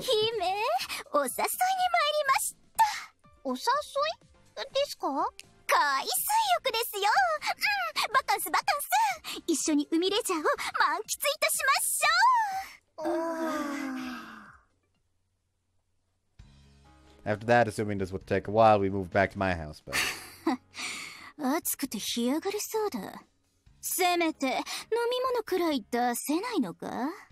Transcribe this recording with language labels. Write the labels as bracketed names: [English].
[Japanese] 姫、お誘いに参りました。お誘いですか？海水浴ですよ。バカンスバカンス、一緒に海レジャーを満喫いたしましょう。 [English] After that, assuming this would take a while, we moved back to my house, but... [Japanese] 暑くて日上がりそうだ。せめて飲み物くらい出せないのか？